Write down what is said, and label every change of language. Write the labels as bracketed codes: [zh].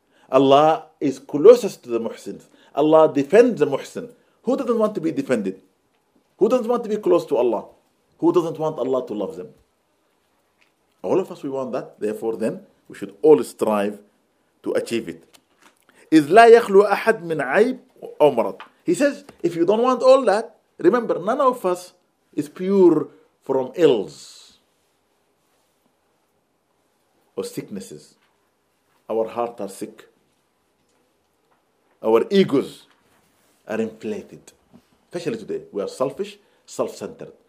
[en] Allah is closest to the muhsins. Allah defends the muhsin. Who doesn't want to be defended? Who doesn't want to be close to Allah? Who doesn't want Allah to love them? All of us, we want that. Therefore, then, we should all strive to achieve it. Is [ar] لا يخلو أحد من عيب أو مرض. [en] He says, if you don't want all that, remember, none of us is pure from ills or sicknesses. Our hearts are sick. Our egos are inflated. Especially today, we are selfish, self-centered.